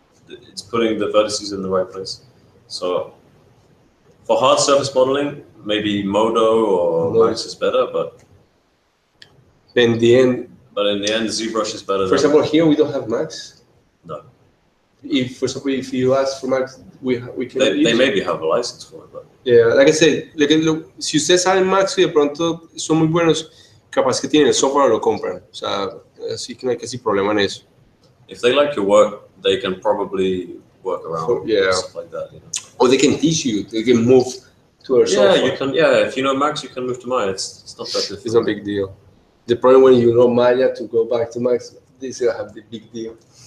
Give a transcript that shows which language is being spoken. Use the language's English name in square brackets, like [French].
[English] It's putting the vertices in the right place. So for hard surface modeling, maybe Modo or Max is better, but in the end, ZBrush is better. For example, here we don't have Max. No. If you ask for Max, we can. They maybe have a license for it, but. Yeah, like I said, look, [Spanish] si ustedes saben Max y de pronto son muy buenos, capaz que tienen el software lo compran. O sea, así que no hay casi problema en eso. [English] If they like your work, they can probably work around stuff like that. You know? Or they can teach you. They can move. If you know Max, you can move to Maya. It's not that difficult. It's not a big deal. The problem when you know Maya to go back to Max, this will have the big deal.